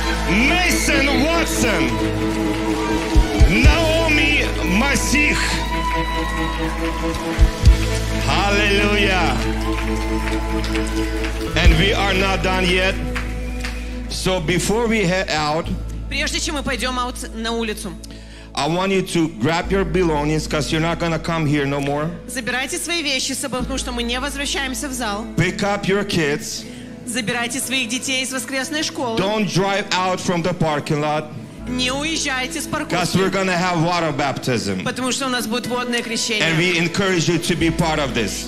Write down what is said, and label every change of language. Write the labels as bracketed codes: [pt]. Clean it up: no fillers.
[uk] Мейсон Ватсон. Наомі Масіх. [en] Hallelujah. And we are not done yet. So before we head out, [ru] прежде чем мы пойдем [en] out [ru] на улицу, [en] I want you to grab your belongings because you're not going to come here no more. [ru] Забирайте свои вещи с собой, потому что мы не возвращаемся в зал. [en] Pick up your kids. [ru] Забирайте своих детей из воскресной школы. [en] Don't drive out from the parking lot. [ru] Не уезжайте с парковки. [en] Because we're gonna have water baptism. [ru] Потому что у нас будет водное крещение. [en] And we encourage you to be part of this.